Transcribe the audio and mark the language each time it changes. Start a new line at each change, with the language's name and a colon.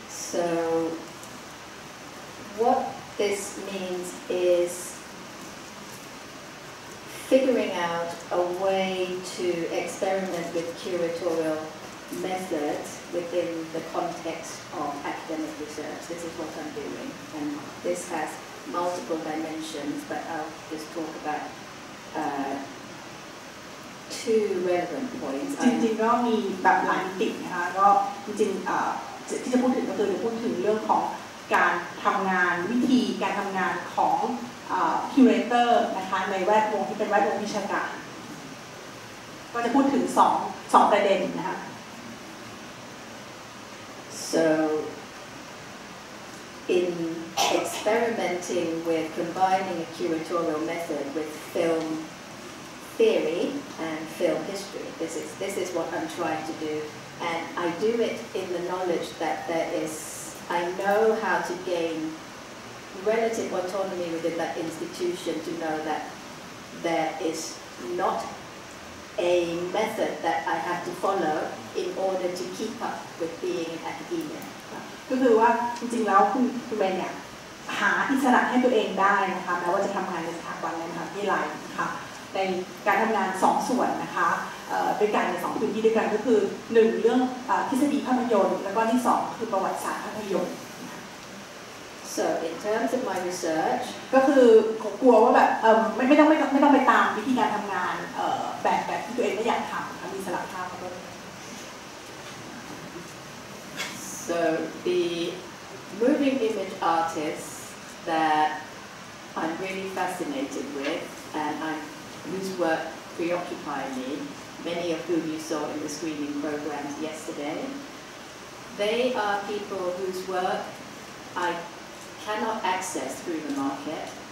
English: so what this means is figuring out a way to experiment with curatorialmethods within the context of academic research. This is what I'm doing, and this has multiple dimensions, but I'll just talk about two relevant points.
Thai: จริงๆก็มีแบบหลายมิตินะคะก็จริงๆที่จะพูดถึงก็คือจะพูดถึงเรื่องของการทำงานวิธีการทำงานของคิวเรเตอร์นะคะในแวดวงที่เป็นแวดวงวิชาการก็จะพูดถึงสองประเด็นนะคะ
English: So, in experimenting with combining a curatorial method with film theory and film history, this is what I'm trying to do, and I do it in the knowledge that I know how to gain relative autonomy within that institution to know that there is not a method that I have to follow. In order to keep up with being in academia,
Thai: ก็คือว่าจริงๆแล้วคุณแม่เนี่ยหาอิสระให้ตัวเองได้นะคะแม้ว่าจะทำงานในสถาบันในมหาวิทยาลัยนะคะในการทำงานสองส่วนนะคะด้วยกันในสองพื้นที่ด้วยกันก็คือหนึ่งเรื่องทฤษฎีภาพยนตร์แล้วก็ที่สองคือประวัติศาสตร์ภาพยนตร์
English: So in terms of my research,
Thai: ก็คือกลัวว่าแบบไม่ต้องไปตามวิธีการทำงานแบบที่ตัวเองไม่อยากทำมีอิสระภาพ
English: So the moving image artist that I'm really fascinated with, and whose work preoccupied me, many of whom you saw in the screening programs yesterday, they are people whose work I cannot access through the market.